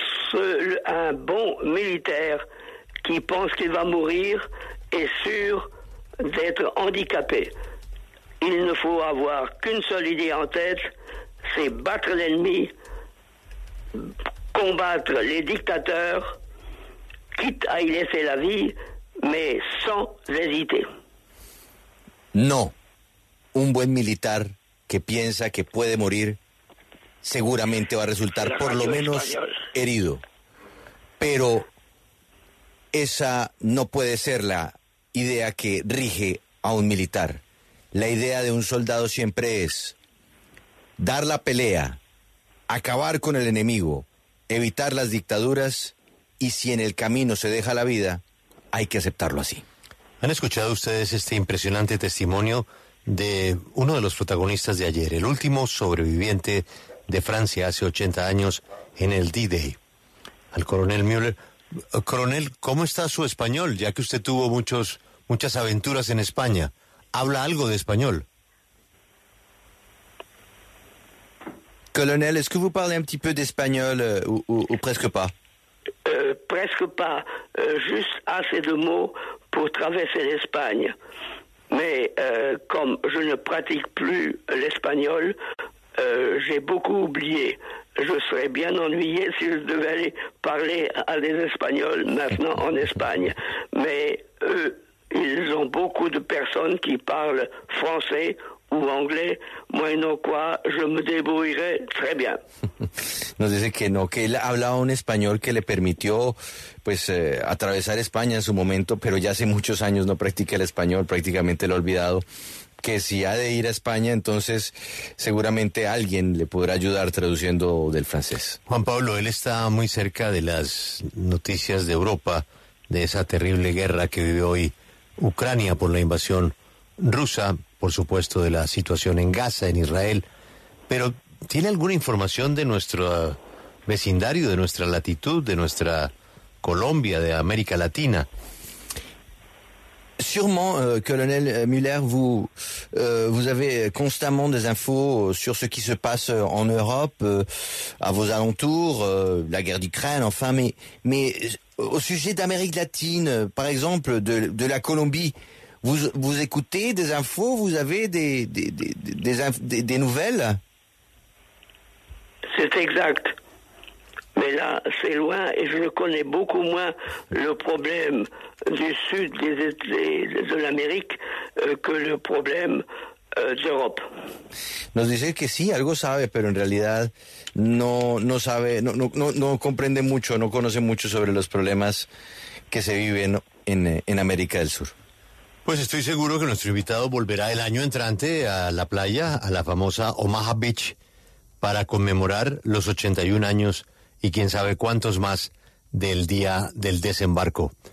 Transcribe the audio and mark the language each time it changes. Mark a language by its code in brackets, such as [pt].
[fr] seul un bon militaire qui pense qu'il va mourir est sûr d'être handicapé. Il ne faut avoir qu'une seule idée en tête, c'est battre l'ennemi, combattre les dictateurs, quitte à y laisser la vie, mais sans hésiter. [es] Non, un buen militar que piensa que puede morir seguramente va a resultar por lo menos herido. Pero esa no puede ser la idea que rige a un militar. La idea de un soldado siempre es dar la pelea, acabar con el enemigo, evitar las dictaduras, y si en el camino se deja la vida, hay que aceptarlo así. ¿Han escuchado ustedes este impresionante testimonio de uno de los protagonistas de ayer, el último sobreviviente de Francia hace 80 años en el D-Day, al coronel Müller? Coronel, ¿cómo está su español, ya que usted tuvo muchas aventuras en España? ¿Habla algo de español? [fr] Coronel, ¿es que vous parlez un petit peu d'espagnol ou presque pas? Presque pas, juste assez de mots pour traverser l'Espagne. Mais comme je ne pratique plus l'espagnol, j'ai beaucoup oublié. Je serais bien ennuyé si je devais aller parler à des Espagnols maintenant en Espagne. Mais eux, ils ont beaucoup de personnes qui parlent français ou anglais. Moi, non quoi, je me débrouillerai très bien. [es] Nos dice que no, que él hablaba un español que le permitió pues atravesar España en su momento, pero ya hace muchos años no practica el español, prácticamente lo ha olvidado, que si ha de ir a España, entonces seguramente alguien le podrá ayudar traduciendo del francés. Juan Pablo, él está muy cerca de las noticias de Europa, de esa terrible guerra que vive hoy Ucrania por la invasión rusa, por supuesto de la situación en Gaza, en Israel, pero ¿tiene alguna información de nuestro vecindario, de nuestra latitud, de nuestra Colombia, de América Latina? [fr] Sûrement, colonel Müller, vous avez constamment des infos sur ce qui se passe en Europe, à vos alentours, la guerre d'Ukraine, enfin, mais au sujet d'Amérique Latine, par exemple, de la Colombie, vous écoutez des infos, vous avez des nouvelles? C'est exact. Mais là, c'est loin et je connais beaucoup moins le problème du sud de l'Amérique que le problème d'Europe. [es] Nos dice que sí, algo sabe, pero en realidad no comprende mucho, no conoce mucho sobre los problemas que se viven en América del Sur. Pues estoy seguro que nuestro invitado volverá el año entrante a la playa, a la famosa Omaha Beach, para conmemorar los 81 años y quién sabe cuántos más del día del desembarco.